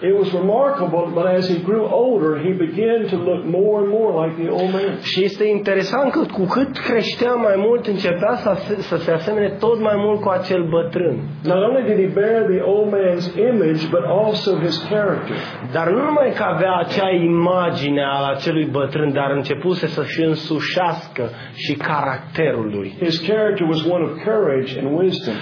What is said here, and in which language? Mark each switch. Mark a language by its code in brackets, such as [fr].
[en] It was remarkable, but as he grew older, he began to look more and more like the old man. [ro] Și este interesant că cu cât creștea mai mult, începea să se asemene tot mai mult cu acel bătrân. [en] Not only did he bear the old man's image, but also his character. [ro] Dar nu numai că avea acea imagine al acelui bătrân, dar începuse să se însușească și caracterul lui. [en] His character was one of courage and wisdom.